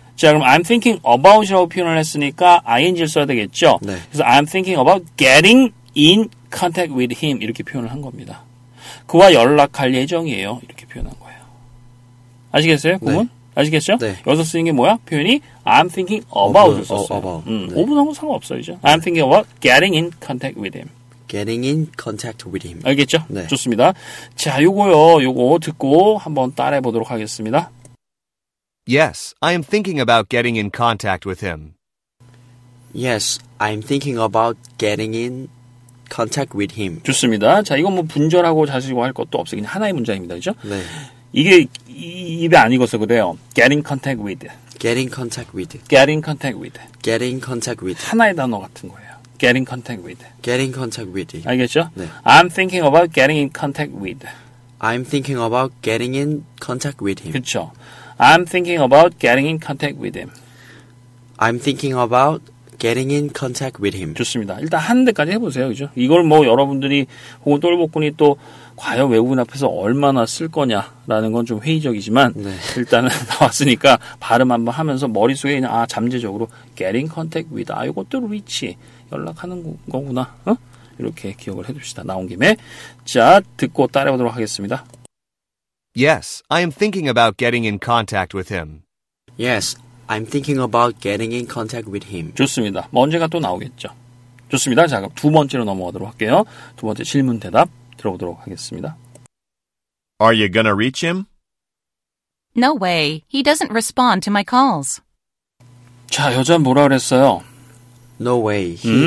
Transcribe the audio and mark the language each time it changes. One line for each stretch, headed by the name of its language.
Korean: 자, 그럼
English: I'm thinking about
Korean: 이라고 표현을 했으니까 ing를 써야 되겠죠? 네. 그래서
English: I'm thinking about getting in contact with him,
Korean: 이렇게 표현을 한 겁니다. 그와 연락할 예정이에요, 이렇게 표현한 거예요. 아시겠어요, 부분? 네. 아시겠죠? 네. 여기서 쓰는 게 뭐야? 표현이
English: I'm thinking about
Korean: 을 썼어요.
English: About.
Korean: 네. 오브는 상관없어요, 이제.
English: 네. I'm thinking about getting in contact with him. Getting in contact with him.
Korean: 알겠죠? 네. 좋습니다. 자, 요거요. 요거 듣고 한번 따라해 보도록 하겠습니다.
English: Yes, I am thinking about getting in contact with him. Yes, I'm thinking about getting in contact with him.
Korean: 좋습니다. 자, 이건 뭐 분절하고 자시고 할 것도 없어요. 그냥 하나의 문장입니다. 그죠? 네. 이게 입에 안 익어서 그래요.
English: Getting contact with. Getting contact with. Getting contact with. Getting contact with.
Korean: 하나의 단어 같은 거예요.
English: Getting contact with. Getting contact with.
Korean: 알겠죠? 네.
English: I'm thinking about getting in contact with. I'm thinking about getting in contact with him.
Korean: 그렇죠.
English: I'm thinking about getting in contact with him. I'm thinking about getting in contact with him.
Korean: 좋습니다. 일단 한 대까지 해보세요. 그죠? 이걸 뭐 여러분들이 혹은 똘복군이 또 과연 외국인 앞에서 얼마나 쓸 거냐라는 건 좀 회의적이지만 네. 일단은 나왔으니까 발음 한번 하면서 머릿속에 그냥 아, 잠재적으로
English: getting contact with.
Korean: 아, 이것도 reach. 연락하는 거구나. 어? 이렇게 기억을 해둡시다. 나온 김에. 자, 듣고 따라해보도록 하겠습니다.
English: Yes, I am thinking about getting in contact with him. Yes, I'm thinking about getting in contact with him.
Korean: 좋습니다. 뭐 언제가 또 나오겠죠. 좋습니다. 자, 그럼 두 번째로 넘어가도록 할게요. 두 번째 질문 대답 들어보도록 하겠습니다.
English: Are you gonna reach him? No way. He doesn't respond to my calls.
Korean: 자, 여자는 뭐라 그랬어요?
English: No way. He